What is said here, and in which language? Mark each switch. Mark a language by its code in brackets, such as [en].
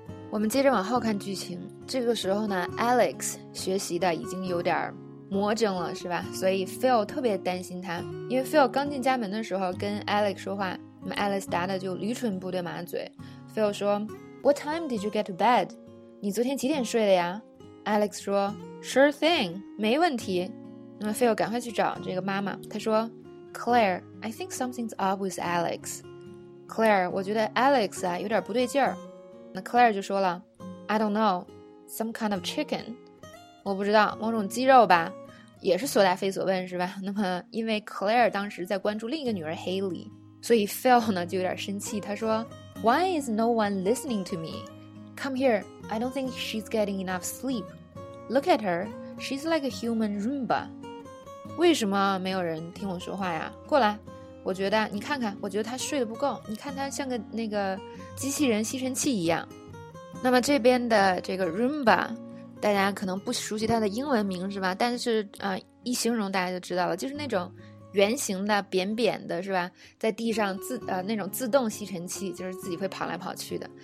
[zh] 我们接着往后看剧情，这个时候呢 ，Alex 学习的已经有点魔怔了，是吧？所以 Phil 特别担心他，因为 Phil 刚进家门的时候跟 Alex 说话，那么 Alex 答的就驴唇不对马嘴。 Phil 说 ： [en] “What time did you get to bed？” [zh] 你昨天几点睡的呀 ？”Alex 说 ： [en] “Sure thing， [zh] 没问题。” 那么 Phil 赶快去找这个妈妈，他说 ： [en] “Claire， I think something's up with Alex。 [zh] ”Claire， 我觉得 Alex 啊有点不对劲儿。那 Claire 就说了 [en] ：“I don't know， some kind of chicken。” [zh] 我不知道，某种鸡肉吧，也是所答非所问，是吧？那么因为 Claire 当时在关注另一个女儿 Haley， 所以 Phil 呢就有点生气，他说 [en] Why is no one listening to me? Come here, I don't think she's getting enough sleep. Look at her, she's like a human Roomba. [zh] 为什么没有人听我说话呀？过来，我觉得你看看，我觉得她睡得不够，你看她像个那个机器人吸尘器一样。那么这边的这个 Roomba，大家可能不熟悉它的英文名是吧，但是一形容大家就知道了，就是那种圆形的扁扁的是吧，在地上那种自动吸尘器，就是自己会跑来跑去的。